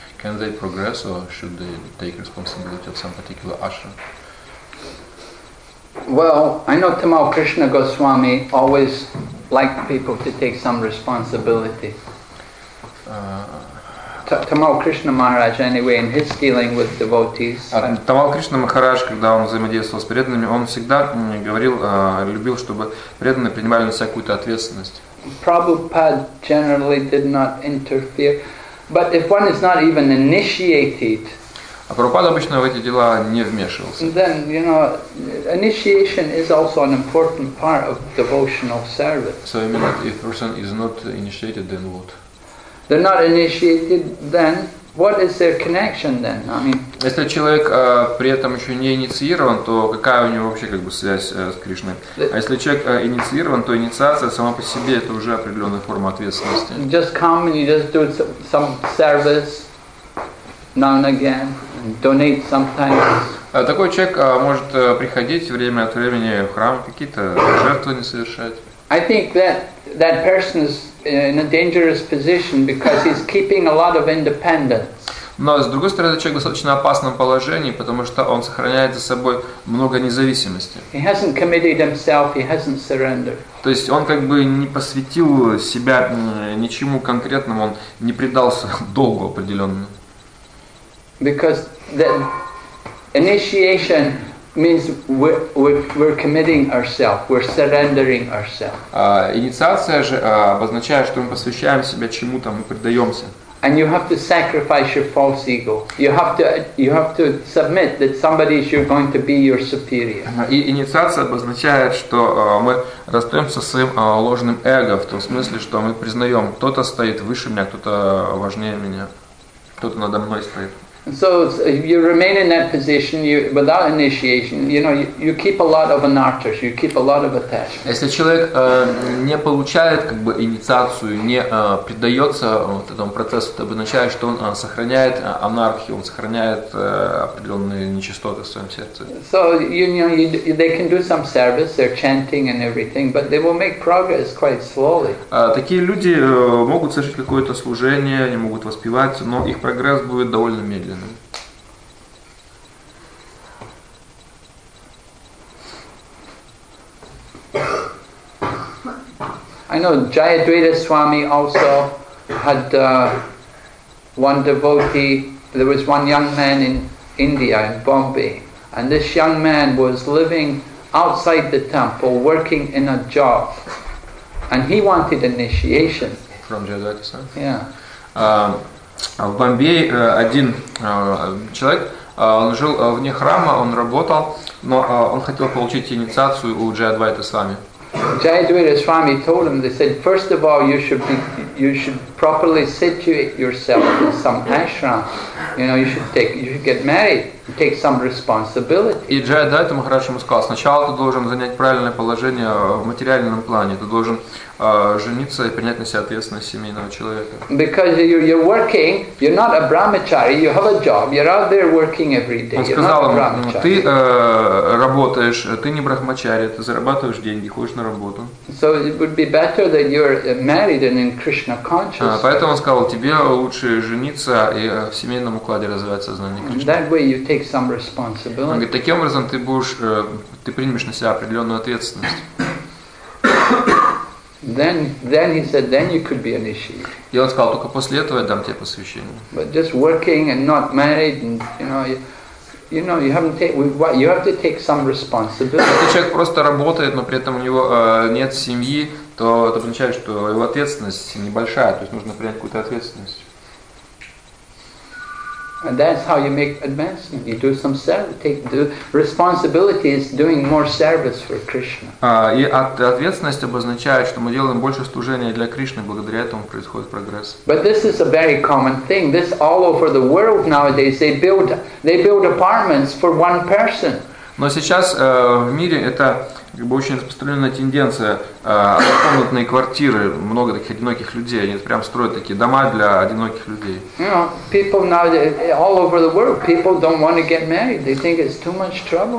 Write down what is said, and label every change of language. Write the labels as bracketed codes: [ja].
[en] Can they progress, or should they take responsibility of some particular ashram? Well, I know Tamal Krishna Goswami always liked people to take some responsibility. Tamal Krishna Maharaj, anyway, in his dealing with devotees. [ru] Tamal Krishna Maharaj, когда он взаимодействовал с преданными, он всегда говорил, любил, чтобы преданные принимали на себя какую-то ответственность. [en] Prabhupada generally did not interfere, but if one is not even initiated, [ru] а Прабхупада обычно в эти дела не вмешивался. [en] Then, you know, initiation is also an important part of devotional service. So, I mean, if a person is not initiated, then what? They're not initiated then. What is their connection then? I mean, [ru] если человек при этом еще не инициирован, то какая у него вообще как бы связь с Кришной? А если человек инициирован, то инициация сама по себе это уже определенная форма ответственности. [en] Just come and you just do some service now and again, and donate sometimes. [ru] Такой человек может приходить время от времени в храм, какие-то жертвы не совершать. [en] I think that person is in a dangerous position because he's keeping a lot of independence. [ru] Но с другой стороны, человек в достаточно опасном положении, потому что он сохраняет за собой много независимости. [en] He hasn't committed himself, he hasn't surrendered. [ru] То есть он как бы не посвятил себя ничему конкретному, он не предался долгу определенному. [en] Because the initiation means we're committing ourselves, we're surrendering ourselves. [ru] Инициация же обозначает, что мы посвящаем себя чему-то, мы предаемся. [en] And you have to sacrifice your false ego. You have to submit that somebody is you're going to be your superior. [ru] Инициация обозначает, что мы расстаемся со своим ложным эго в том смысле, что мы признаем, кто-то стоит выше меня, кто-то важнее меня, кто-то надо мной стоит. [en] So if you remain in that position, you without initiation, you know, you keep a lot of anarthas, you keep a lot of attachments. [ru] Если человек не получает как бы инициацию, не предается вот этому процессу, это означает, что он сохраняет анархию, он сохраняет определенные нечистоты в своем сердце. [en] So you they can do some service, they're chanting and everything, but they will make progress quite slowly. [ru] Такие люди могут совершить какое-то служение, они могут воспевать, но их прогресс будет довольно медленным. [en] I know Jayadvaita Swami also had one devotee. There was one young man in India, in Bombay, and this young man was living outside the temple, working in a job, and he wanted initiation. From Jayadvaita Swami? Yeah. [ru] В Бомбее один человек, он жил вне храма, он работал, но он хотел получить инициацию у Джайадвайта Свами. [en] Джайадвайта Свами told him, they said, first of all, you should properly situate yourself in some ashram. You know, you should get married, take some responsibility. [ru] И Джайадвайта Махарадж ему сказал, сначала ты должен занять правильное положение в материальном плане, ты должен жениться и принять на себя ответственность семейного человека. [en] Because you're working, you're not a brahmachari, you have a job, you're out there working every day. [ru] Он сказал ему, ты работаешь, ты не брахмачари, ты зарабатываешь деньги, ходишь на работу. [en] So it would be better that you're married and in Krishna consciousness. [ru] Поэтому он сказал, тебе лучше жениться и в семейном укладе развивать сознание Кришны. [en] That way you take some responsibility. [ru] Он говорит, таким образом ты будешь, ты примешь на себя определенную ответственность. [en] Then he said, then you could be initiated. [ru] И он сказал, только после этого я дам тебе посвящение. [en] But just working and not married, and you haven't you have to take some responsibility. [ru] Если человек просто работает, но при этом у него нет семьи, то это означает, что его ответственность небольшая, то есть нужно принять какую-то ответственность. [en] And that's how you make advancement. You do some service. Take the responsibility is doing more service for Krishna. [ru] И ответственность обозначает, что мы делаем больше служения для Кришны, благодаря этому происходит прогресс. [en] But this is a very common thing. This all over the world nowadays. They build apartments for one person. [ru] Но сейчас в мире это как бы очень распространенная тенденция. Однокомнатные квартиры, много таких одиноких людей, они прям строят такие дома для одиноких людей. [en] People now all over the world, people don't want to get married. They think it's too much trouble.